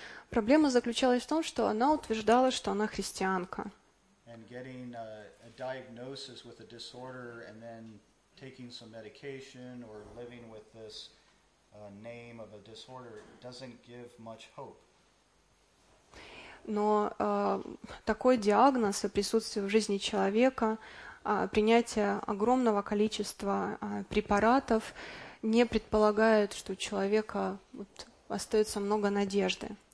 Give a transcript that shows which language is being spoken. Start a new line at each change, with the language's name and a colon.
Russian: Проблема заключалась в том, что она утверждала, что она христианка.
English: And getting a diagnosis with a disorder and then taking some medication or living with this name of a disorder doesn't give much hope.
Russian: но такой диагноз и присутствие в жизни человека, принятие огромного количества препаратов не предполагает, что у человека вот, остается много надежды.